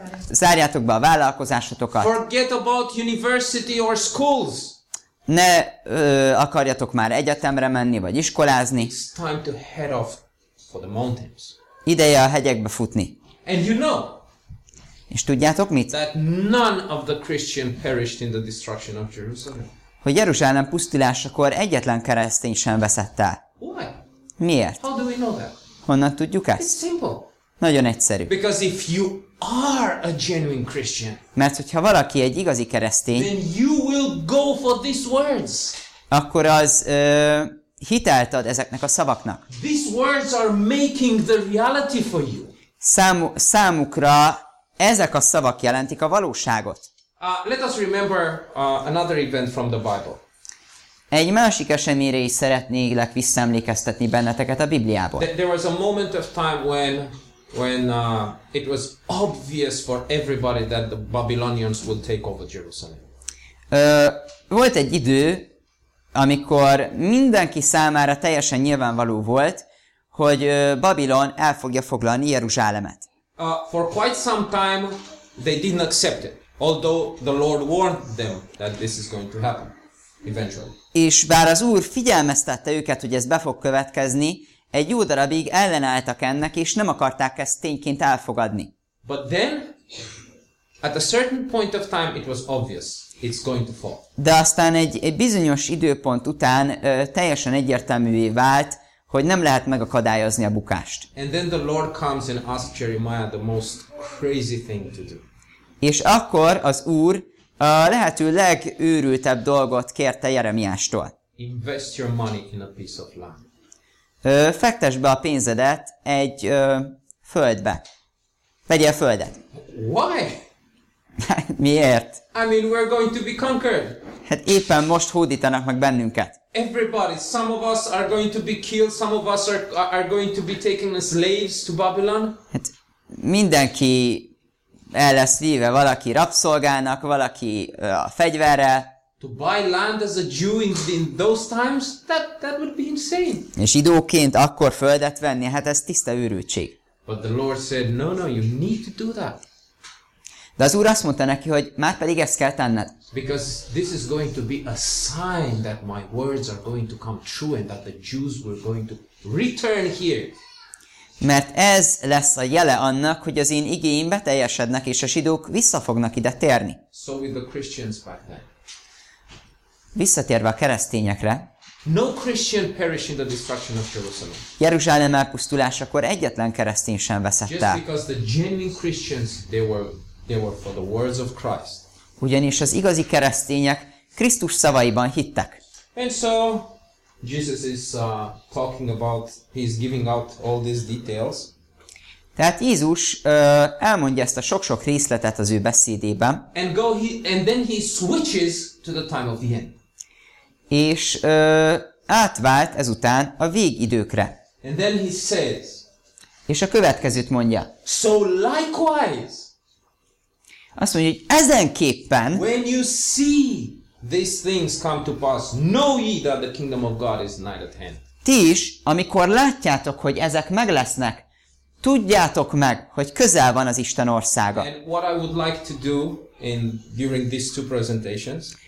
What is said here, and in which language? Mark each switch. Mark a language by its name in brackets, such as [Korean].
[Hungarian] Zárjátok be a vállalkozásatokat. [English] Forget about university or schools. [Hungarian] Ne akarjatok már egyetemre menni, vagy iskolázni. [English] It's time to head off for the mountains. [Hungarian] Ideje a hegyekbe futni. [English] And you know, [Hungarian] és tudjátok mit? [English] That none of the Christian perished in the destruction of Jerusalem. [Hungarian] Hogy Jeruzsálem pusztulásakor egyetlen keresztény sem veszett el. [English] Why? [Hungarian] Miért? [English] How do we know that? [Hungarian] Honnan tudjuk ezt? [English] It's simple. [Hungarian] Nagyon egyszerű. [English] Because if you are a genuine Christian, [Hungarian] mert hogyha valaki egy igazi keresztény, [English] then you will go for these words. [Hungarian] Akkor az hitelt ad ezeknek a szavaknak. [English] These words are making the reality for you. [Hungarian] Számukra ezek a szavak jelentik a valóságot. [English] Let us remember another event from the Bible. [Hungarian] Egy másik eseményre is szeretnélek visszaemlékeztetni benneteket a Bibliából. [English] There was a moment of time when it was obvious for everybody that the Babylonians would take over Jerusalem. [Hungarian] Volt egy idő, amikor mindenki számára teljesen nyilvánvaló volt, hogy Babilon el fogja foglalni Jeruzsálemet. [English] For quite some time they didn't accept it, although the Lord warned them that this is going to happen eventually. [Hungarian] És bár az Úr figyelmeztette őket, hogy ez be fog következni, egy jó darabig ellenálltak ennek, és nem akarták ezt tényként elfogadni. [English] But then, at a certain point of time, it was obvious, it's going to fall. [Hungarian] De aztán egy bizonyos időpont után teljesen egyértelművé vált, hogy nem lehet megakadályozni a bukást. [English] And then the Lord comes and asks Jeremiah the most crazy thing to do. [Hungarian] És akkor az Úr a lehető legőrültebb dolgot kérte Jeremiástól. [English] Invest your money in a piece of land. [Hungarian] Fektesd be a pénzedet egy földbe. Vegyél földet. [English] Why? [Hungarian] Miért? [English] I mean, we're going to be conquered. [Hungarian] Hát éppen most hódítanak meg bennünket. [English] Everybody, some of us are going to be killed, some of us are going to be taken as slaves to Babylon. [Hungarian] Hát mindenki el lesz víve, valaki rabszolgának, valaki a fegyverrel. [English] To buy land as a Jew in those times, that would be insane. [Hungarian] És zsidóként akkor földet venni, hát ez tiszta őrültség. [English] But the Lord said, no, you need to do that. [Hungarian] De az Úr azt mondta neki, hogy már pedig ezt kell tenned. [English] Because this is going to be a sign that my words are going to come true and that the Jews were going to return here. [Hungarian] Mert ez lesz a jele annak, hogy az én igéim beteljesednek, és a zsidók vissza fognak ide térni. [English] So with the Christians back then. [Hungarian] Visszatérve a keresztényekre. [English] No Christian perished in the destruction of Jerusalem. [Hungarian] Jeruzsálem elpusztulásakor egyetlen keresztény sem veszett el. [English] Just because the genuine Christians, they were for the words of Christ. [Hungarian] Ugyanis az igazi keresztények Krisztus szavaiban hittek. [English] And so Jesus is talking about, he's giving out all these details. [Hungarian] Tehát Jézus elmondja ezt a sok-sok részletet az ő beszédében. [English] And then he switches to the time of the end. [Hungarian] És átvált ezután a végidőkre. [English] And then he says. [Hungarian] És a következőt mondja. [English] So likewise. [Hungarian] Azt mondja, hogy ezenképpen. [English] When you see these things come to pass, know ye that the kingdom of God is nigh at hand. [Hungarian] Ti is, amikor látjátok, hogy ezek meglesznek, tudjátok meg, hogy közel van az Isten országa. [English] And what I would like to do during these two presentations,